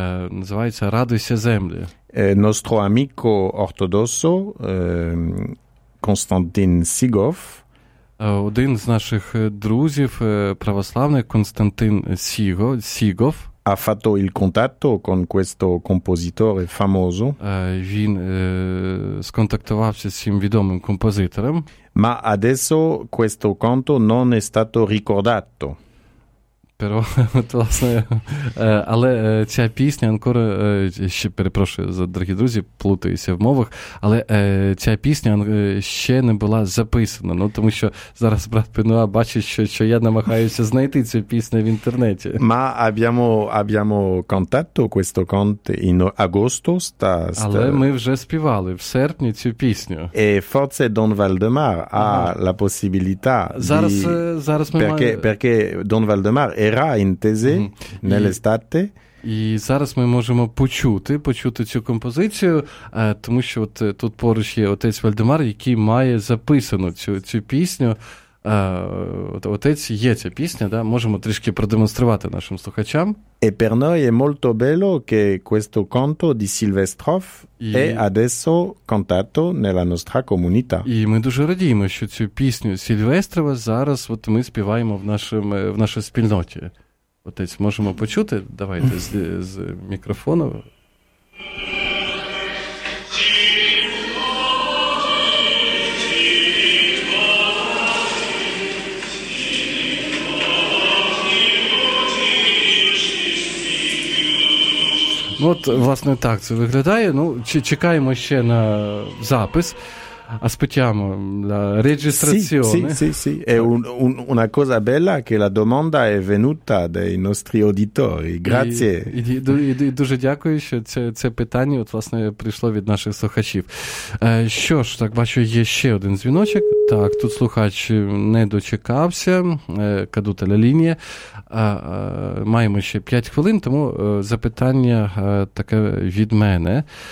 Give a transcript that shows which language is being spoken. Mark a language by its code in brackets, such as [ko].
[uk] Називається «Радуйся, землі». [it] Nostro amico ortodosso, Konstantin Sigov. [uk] Один з наших друзів, православний Konstantin Sigov. [it] Ha fatto il contatto con questo compositore famoso. [uk] Він сконтактувався з цим відомим композитором. [it] Ma adesso questo canto non è stato ricordato. [uk] Però, власне, але ця пісня ancora, ще перепрошую за дорогі друзі, плутаюся в мовах, але ця пісня ще не була записана. Ну, тому що зараз брат Пенуа бачить, що я намагаюся знайти цю пісню в інтернеті. [it] Ma abbiamo cantato questo canto in agosto. [uk] Але ми вже співали в серпні цю пісню. [it] E forse Don Valdemar ha la possibilità. [uk] Зараз ми маємо. [it] Perché Don Valdemar era in Tese nell'estate. [uk] І зараз ми можемо почути цю композицію, тому що от тут поруч є отець Вальдемар, який має записану цю пісню. Отець, є ця пісня, да? Можемо трішки продемонструвати нашим слухачам. [it] E per noi è molto bello che questo canto di Silvestrov è adesso cantato nella nostra comunità. [uk] І ми дуже радіємо, що цю пісню Сільвестрова зараз от ми співаємо в нашій спільноті. Отець, можемо почути? Давайте з мікрофону. Ну, от, власне, так це виглядає. Ну, чекаємо ще на запис. [it] Aspettiamo la registrazione. Sì, sì, sì. È una cosa bella che la domanda è venuta dai nostri auditori. Grazie. [uk] І дуже дякую, що це питання, от, власне, прийшло від наших слухачів. Що ж, так бачу, є ще один дзвіночок. Так, тут слухач не дочекався. [it] Кадута ля лінія. [uk] Маємо ще 5 хвилин, тому запитання таке від мене.